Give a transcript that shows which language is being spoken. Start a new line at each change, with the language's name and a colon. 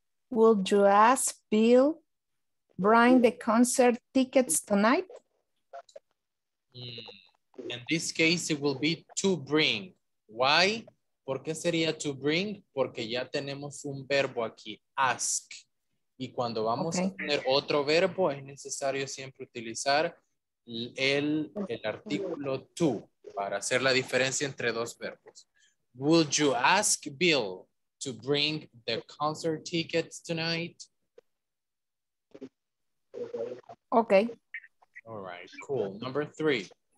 English: Would you ask Bill Brian the concert tickets tonight? In this case, it will be to bring. Why?
Spanish: ¿Por qué sería
English: to bring?
Spanish: Porque ya tenemos un verbo aquí, ask. Y cuando vamos okay. a tener otro verbo, es necesario siempre utilizar el artículo to para hacer la diferencia entre dos verbos.
English: Would you ask Bill to bring the concert tickets tonight? Okay. All right, cool. Number three.